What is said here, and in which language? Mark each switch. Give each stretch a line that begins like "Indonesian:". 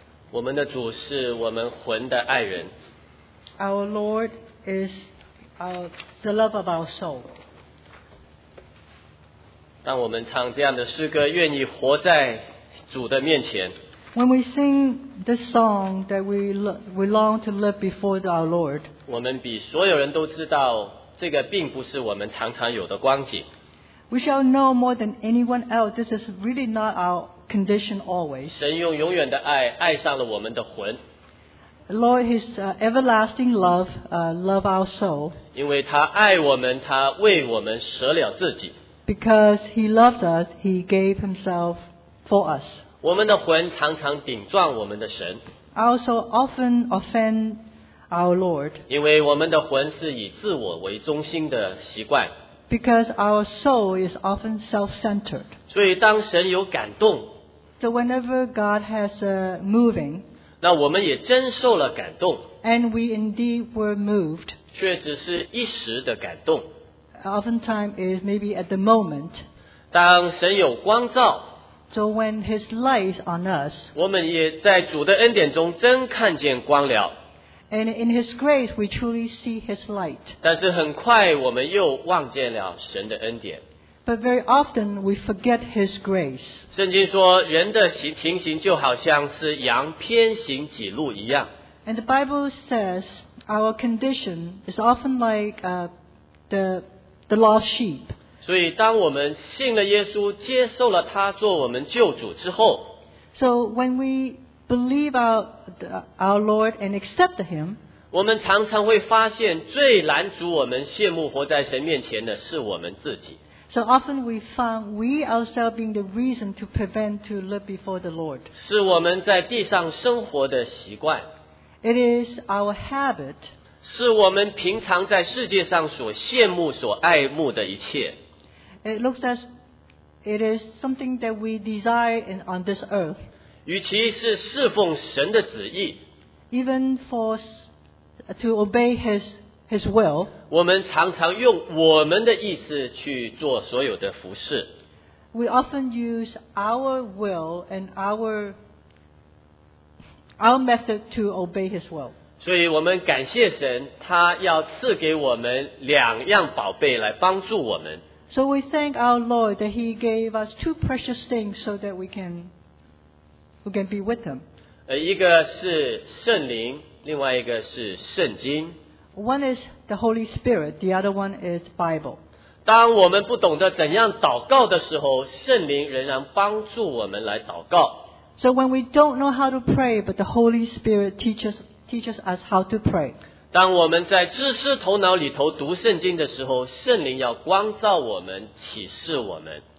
Chinese: 我们的主是我们魂的爱人。
English: Our Lord is the love of our soul.
Chinese: 当我们唱这样的诗歌，愿意活在主的面前。
English: When we sing this song that we long to live before our Lord,
Chinese: 我们比所有人都知道这个并不是我们常常有的光景。
English: We shall know more than anyone else. This is really not our condition always.
Chinese: 神用永远的爱爱上了我们的魂。
English: Lord, His everlasting love, love our soul.
Chinese: 因为他爱我们，他为我们舍了自己。
English: Because He loved us, He gave Himself for us.
Chinese: 我们的魂常常顶撞我们的神。
English: Our soul often offend our Lord.
Chinese: 因为我们的魂是以自我为中心的习惯。
English: Because our soul is often self-centered.
Chinese: 所以当神有感动，
English: So whenever God has a moving,
Chinese: 那我们也真受了感动，
English: And we indeed were moved.
Chinese: 却只是一时的感动，
English: Oftentimes is maybe at the moment.
Chinese: 当神有光照，
English: So when His light is on us,
Chinese: 我们也在主的恩典中真看见光了。
English: And in His grace, we truly see His light.
Chinese: 但是很快我们又忘见了神的恩典。
English: But very often we forget His grace.
Chinese: 圣经说，人的情形就好像是羊偏行己路一样。
English: And the Bible says our condition is often like the lost sheep.
Chinese: 所以当我们信了耶稣，接受了他做我们救主之后，
English: So when we believe our Lord and accept Him,
Chinese: 我们常常会发现最拦阻我们羡慕活在神面前的是我们自己。
English: So often we found we ourselves being the reason to prevent to live before the Lord.
Chinese: 是我们在地上生活的习惯。
English: It is our habit.
Chinese: 是我们平常在世界上所羡慕所爱慕的一切。
English: It is something that we desire on this earth.
Chinese: 与其是侍奉神的旨意，
English: Even for to obey his will,
Chinese: 我们常常用我们的意思去做所有的服事。
English: We often use our will and our method to obey his will.
Chinese: 所以我们感谢神，他要赐给我们两样宝贝来帮助我们。
English: So we thank our Lord that he gave us two precious things so that we can be with him.
Chinese: 一个是圣灵，另外一个是圣经。
English: One is the Holy Spirit, the other one is Bible.
Chinese: 当我们不懂得怎样祷告的时候，圣灵仍然帮助我们来祷告。
English: So when we don't know how to pray, but the Holy Spirit teaches us how to pray.
Chinese: 当我们在知识头脑里头读圣经的时候，圣灵要光照我们，启示我们。